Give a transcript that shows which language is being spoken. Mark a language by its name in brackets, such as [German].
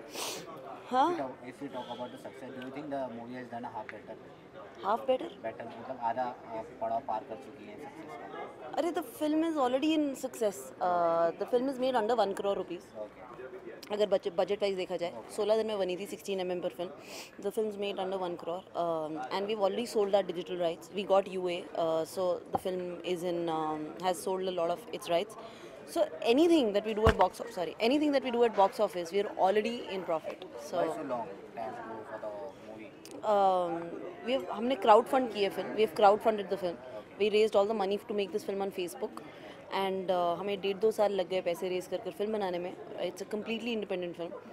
[English] if you talk about the success do you think the movie has done a half better Half better? [Hindi] Better मतलब आधा पड़ाव पार कर चुकी है success का [English] अरे the film is already in success the film is made under 1 crore rupees okay. [Hindi] अगर budget wise देखा जाए 16 दिन में बनी थी 16 mm पर [English] film the film made under 1 crore and we already sold our digital rights we got U A so the film is in has sold a lot of its rights so anything that we do at box sorry anything that we do at box office we are already in profit so [Hindi] हमने crowd fund किए film [English] we have crowd funded the film we raise all the money to make this film on Facebook and [Hindi] हमें 1.5-2 साल लग गए पैसे raise कर film बनाने में [English] it's a completely independent film